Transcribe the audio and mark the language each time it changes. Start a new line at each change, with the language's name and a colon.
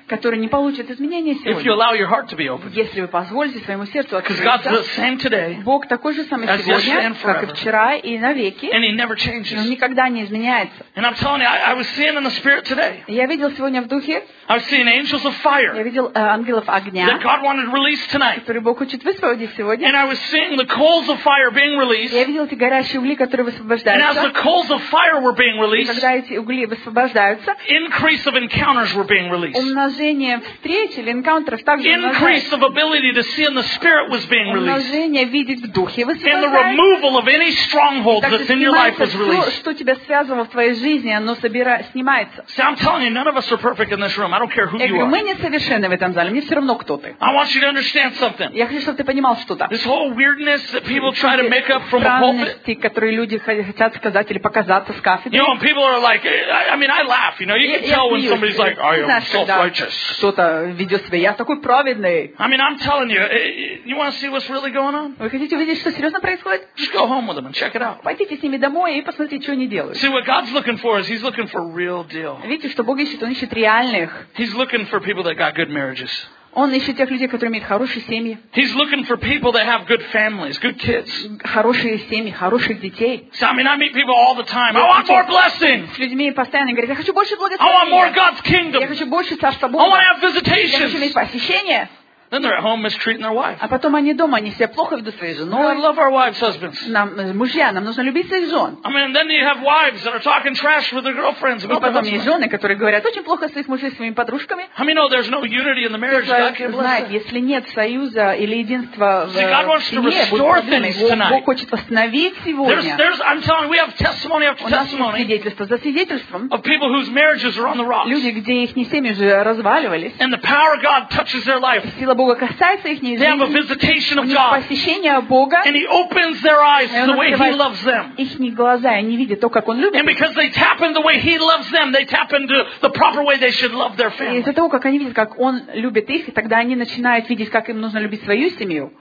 Russian: Который не получит изменения сегодня.
English: If you allow your heart to be open.
Russian: Если вы позволите своему сердцу открыться.
English: Because God's the same today.
Russian: Бог такой же самый сегодня, как и вчера и навеки.
English: And he never changes.
Russian: Он никогда не изменяется.
English: And I'm telling you, I was seeing in the spirit today.
Russian: Я видел сегодня в духе.
English: I've seen angels of fire.
Russian: Я видел ангелов огня.
English: That God wanted released tonight.
Russian: Которые Бог хочет высвободить сегодня.
English: And I was seeing the coals of fire being released.
Russian: Я видел эти горящие угли, которые высвобождаются.
English: And as the coals of fire were being released.
Russian: Когда эти угли высвобождаются.
English: Increase of encounter. encounters were being released. Increase of ability to see in the spirit was being released. And the removal of any stronghold that's in your life was released. See, I'm telling you, none of us are perfect in this room. I don't care who you are. I want you to understand something. This whole weirdness that people try to make up from the pulpit. You know, and people are like, I mean, I laugh. You know, you can tell when somebody's like, I am self-righteous. I mean, I'm telling you, you want to see what's really going on? Just go home with them and check it out.
Russian: Пойдите с ними домой и посмотрите, что они делают.
English: See what God's looking for is He's looking for real deal.
Russian: Видите, что Бог ищет, Он ищет реальных.
English: He's looking for people that got good marriages.
Russian: Он ищет тех людей, которые имеют хорошие семьи.
English: He's looking for people that have good families, good kids.
Russian: Хорошие семьи, хороших детей.
English: So, I mean, I meet people all the time. I want more blessings.
Russian: С людьми постоянно говорят, я хочу больше благословения.
English: I want more God's kingdom.
Russian: Я хочу больше Царства Бога.
English: I want to have visitations.
Russian: Я хочу иметь посещения.
English: Then they're at home mistreating their wife.
Russian: А потом они дома, они себя плохо ведут своей женой.
English: We love our wives, husbands.
Russian: Нам мужья, нам нужно любить своих жен.
English: I mean, then you have wives that are talking trash with their girlfriends.
Russian: И потом есть жены, которые говорят очень плохо о своих мужей своими подружками.
English: I mean, no, there's no unity in the marriage. God can bless.
Russian: Если нет союза или единства в семье,
English: God wants to restore things tonight.
Russian: Бог хочет восстановить сегодня.
English: There's, I'm telling you, we have testimony after testimony.
Russian: У нас свидетельство за свидетельством.
English: Of people whose marriages are on the rocks.
Russian: Люди, где их не семьи уже разваливались.
English: And the power of God touches their life.
Russian: Бога касается их жизни.
English: They have a visitation of God.
Russian: Посещение Бога.
English: And He opens their eyes to the way He loves them.
Russian: Их глаза, они видят то, как Он любит.
English: And because they tap into the way He loves them, they tap into the proper way they should love their family.
Russian: Из-за того, как они видят, как Он любит их, и тогда они начинают видеть, как им нужно любить свою семью.